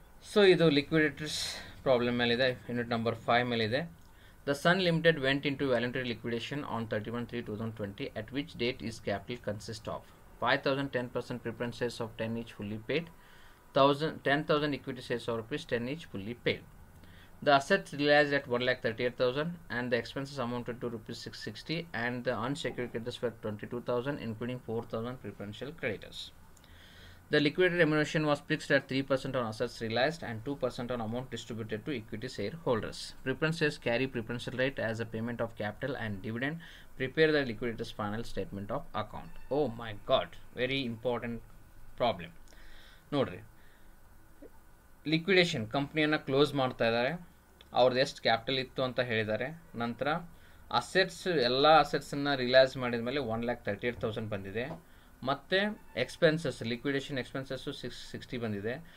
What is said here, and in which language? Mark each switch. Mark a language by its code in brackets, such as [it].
[kn] So ಇದು liquidators problem ಮೇಲಿದೆ, unit number 5 ಮೇಲಿದೆ. [en] The sun limited went in to ವ್ಯಾಲಂಟರಿ liquidation on 31/3/2020, at which date is capital consist of 5,000 10% preferences of 10 each fully paid, 10,000 equity says of rupees 10 each fully paid. The assets realized at 1,38,000 and the expenses amounted to ₹660 and the unsecured creditors were 22,000 including 4,000 preferential creditors. The liquidated remuneration was fixed at 3% on assets realized and 2% on amount distributed to equity shareholders. Preferences carry preferential right as a payment of capital and dividend. Prepare the liquidators final statement of account. Oh my god, very important problem. Notary. [kn] Liquidation, ಕಂಪ್ನಿಯನ್ನು close ಮಾಡ್ತಾ ಇದ್ದಾರೆ, ಅವ್ರದ್ದು ಎಷ್ಟು capital ಇತ್ತು ಅಂತ ಹೇಳಿದ್ದಾರೆ. ನಂತರ assets, ಎಲ್ಲ ಅಸೆಟ್ಸನ್ನು realise ಮಾಡಿದ ಮೇಲೆ 1,38,000 ಬಂದಿದೆ. ಮತ್ತು ಎಕ್ಸ್ಪೆನ್ಸಸ್, ಲಿಕ್ವಿಡೇಷನ್ ಎಕ್ಸ್ಪೆನ್ಸಸ್ಸು 660 ಬಂದಿದೆ.